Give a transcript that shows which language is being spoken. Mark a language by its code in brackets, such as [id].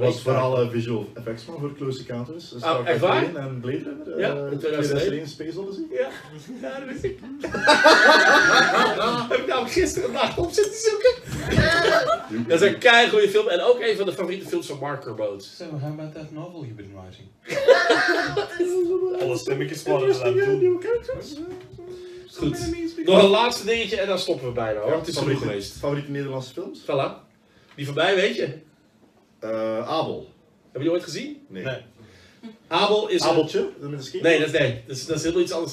[nl] was vooral visual effects van voor Close Encounters. Dus echt waar? En Blade Runner. Ja, 2001 Space Odyssey. Ja, daar wist ik. Heb ik nou gisteren een nacht op zitten zoeken? Dat is een keigoede film. En ook een van de favoriete films van Mark Kermode. [en] So, that novel you've been writing. [nl] Alle stemmetjes worden er aan toe. Goed. Nog een laatste dingetje en dan stoppen we bijna hoor. Ja, het is genoeg geweest. Favoriete Nederlandse films? Voilà. Die voorbij weet je? Abel. Heb je die ooit gezien? Nee. Abel is... Abeltje? Een... Nee, dat is heel iets anders.